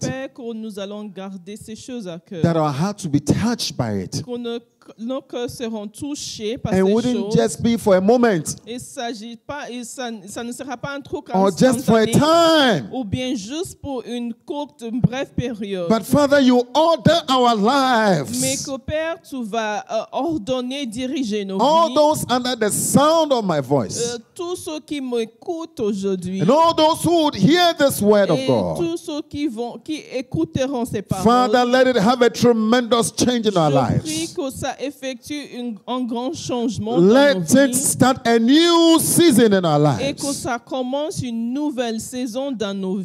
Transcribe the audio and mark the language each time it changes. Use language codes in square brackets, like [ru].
[fr] Père, que nous allons garder ces choses à cœur. [en] That our hearts will be touched by it. [fr] Nos cœurs seront touchés par [en] and [fr] ces choses. [en] And wouldn't just be for a moment. [fr] Il s'agit pas, ça ne sera pas un truc [en] or just for a time. [fr] Ou bien juste pour une courte, une brève période. [en] But Father, you order our lives. [fr] Mais que Père, tu vas ordonner, diriger nos [en] all [fr] vies. [en] Those under the sound of my voice. [fr] Tous ceux qui m'écoutent aujourd'hui. [en] And all those who would hear this word of God. [fr] Et tous ceux qui écouteront ces paroles. [en] Father, let it have a tremendous change in [fr] je [en] our lives. [fr] Ça effectue un grand changement. [en] Let [fr] dans nos vies. [en] It start a new season in our lives. [fr] Et que ça commence une nouvelle saison dans nos vies.